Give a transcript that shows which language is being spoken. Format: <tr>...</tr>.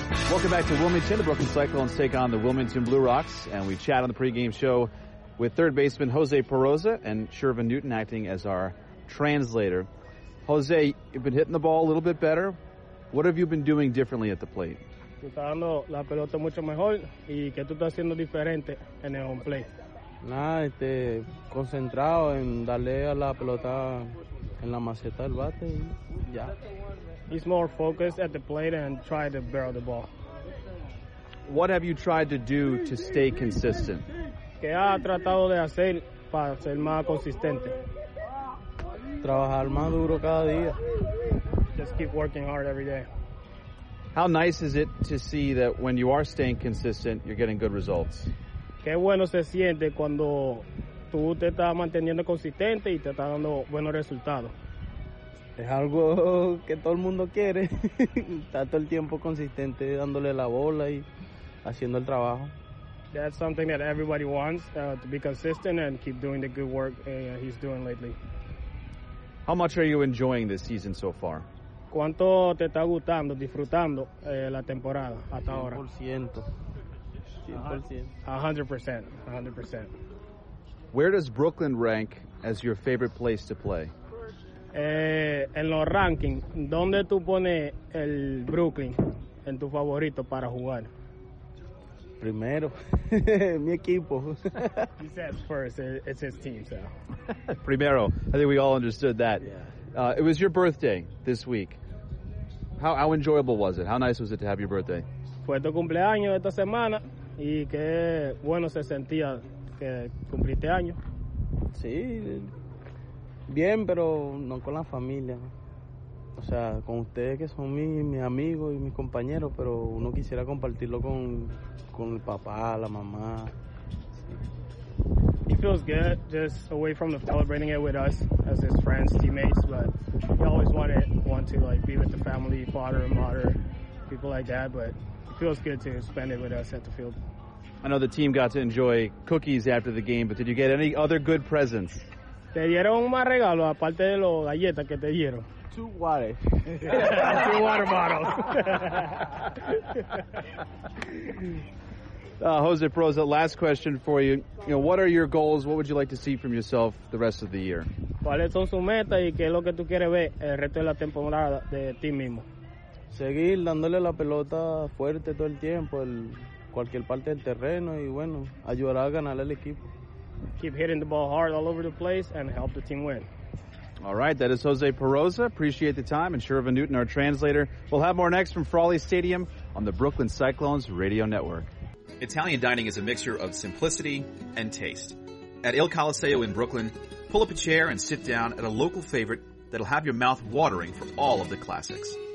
<en>Welcome back to Wilmington. The Brooklyn Cyclones take on the Wilmington Blue Rocks, and we chat on the pregame show with third baseman Jose Peroza and Shervin Newton acting as our translator. Jose, you've been hitting the ball a little bit better. What have you been doing differently at the plate?</en> <es>Tú estás dando la pelota mucho mejor, y qué tú estás haciendo diferente en el home plate? Nada, concentrado en darle a la pelota en la maceta del bate y ya.</es> <en>He's more focused at the plate and try to barrel the ball. What have you tried to do to stay consistent?</en> <es>¿Qué ha tratado de hacer para ser más consistente? Trabajar más duro cada día.</es> <en>Just keep working hard every day. How nice is it to see that when you are staying consistent, you're getting good results?</en> <es>Qué bueno se siente cuando tú te estás manteniendo consistente y te estás dando buenos resultados. Es algo que todo el mundo quiere. Está todo el tiempo consistente dándole la bola y haciendo el trabajo.</es> <en>That's something that everybody wants, to be consistent and keep doing the good work he's doing lately. How much are you enjoying this season so far?</en> <es>¿Cuánto te está gustando, disfrutando la temporada hasta ahora? 100%. 100%. 100%.</es> <en>Where does Brooklyn rank as your favorite place to play?</en> <es>En los rankings, ¿dónde tú pones el Brooklyn en tu favorito para jugar? Primero, mi equipo.</es> <en>He said first, it's his team, so. Primero, I think we all understood that. Yeah. It was your birthday this week. How enjoyable was it? How nice was it to have your birthday?</en> <es>Fue tu cumpleaños esta semana, y qué bueno se sentía que cumpliste año. Sí. Bien, pero no con la familia. O sea, con ustedes que son mis amigos y mis compañeros, pero uno quisiera compartirlo con el papá, la mamá.</es> <en>He feels good just away from the celebrating it with us as his friends, teammates, but he always wanted to like be with the family, father, mother, people like that, but it feels good to spend it with us at the field. I know the team got to enjoy cookies after the game, but did you get any other good presents?</en> <es>Te dieron un más regalo aparte de los galletas que te dieron.</es> <en>Two water. Two water bottles. Jose Peroza, last question for you. You know, what are your goals? What would you like to see from yourself the rest of the year?</en> <es>¿Cuáles son sus metas y qué es lo que tú quieres ver el resto de la temporada de ti mismo? Seguir dándole la pelota fuerte todo el tiempo, en cualquier parte del terreno y bueno, ayudar a ganar al equipo.</es> <en>Keep hitting the ball hard all over the place and help the team win. All right, that is Jose Peroza. Appreciate the time. And Shervin Newton, our translator. We'll have more next from Frawley Stadium on the Brooklyn Cyclones Radio Network. Italian dining is a mixture of simplicity and taste. At Il Colosseo in Brooklyn, pull up a chair and sit down at a local favorite that'll have your mouth watering for all of the classics.</en>